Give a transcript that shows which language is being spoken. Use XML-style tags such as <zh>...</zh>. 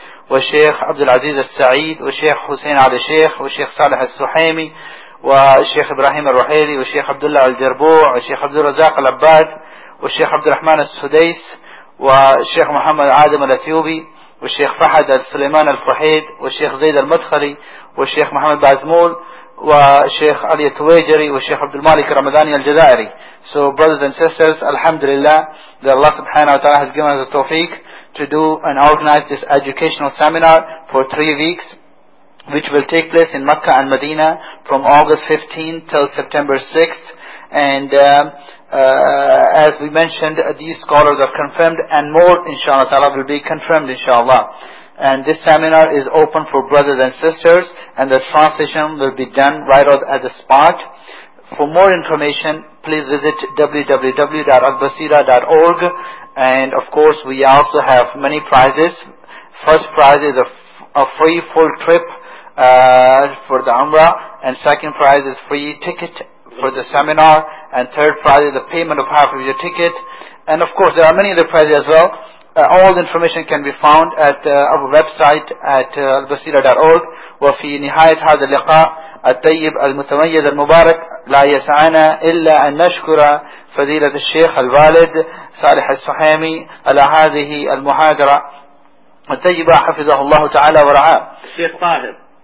<ar>والشيخ عبد العزيز السعيد والشيخ حسين على الشيخ والشيخ صالح السحيمي والشيخ ابراهيم الرحيلي والشيخ عبد الله الجربوع والشيخ عبد الرزاق العباد والشيخ عبد الرحمن السديس والشيخ محمد عادم الاثيوبي والشيخ فهد سليمان الفحيد والشيخ زيد المدخلي والشيخ محمد بازمول والشيخ علي التويجري والشيخ عبد المالك رمضاني الجزائري.</ar> <en>So brothers and sisters, alhamdulillah that Allah subhanahu wa ta'ala has given us the tawfiq to do and organize this educational seminar for 3 weeks, which will take place in Mecca and Medina from August 15th till September 6th. And as we mentioned, these scholars are confirmed, and more inshallah ta'ala will be confirmed inshallah. And this seminar is open for brothers and sisters, and the translation will be done right out at the spot. For more information, please visit www.albasira.org. And of course, we also have many prizes. First prize is a free full trip for the Umrah, and second prize is free ticket for the seminar, and third prize is the payment of half of your ticket. And of course, there are many other prizes as well. All the information can be found at our website at albasira.org.</en> <ar>وفي نهاية هذا اللقاء الطيب المتميز المبارك لا يسعنا إلا أن نشكر فضيلة الشيخ الوالد صالح السحيمي على هذه المحاضرة الطيبة حفظه الله تعالى ورعاه. الشيخ طاهر.</ar>